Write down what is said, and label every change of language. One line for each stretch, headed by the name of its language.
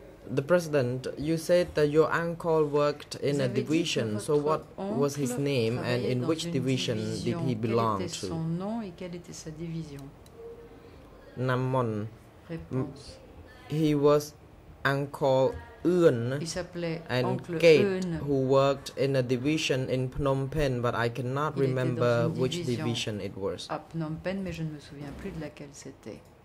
English: The president, you said that your uncle worked in a division, so what was his name and in which division did he belong to?
French: Quel était son nom et quelle était sa division? Namon. Réponse.
English: He was Uncle Eun and Kate, who worked in a division in Phnom Penh, but I cannot remember which division it was.
French: À Phnom Penh, mais je ne me souviens plus de laquelle c'était.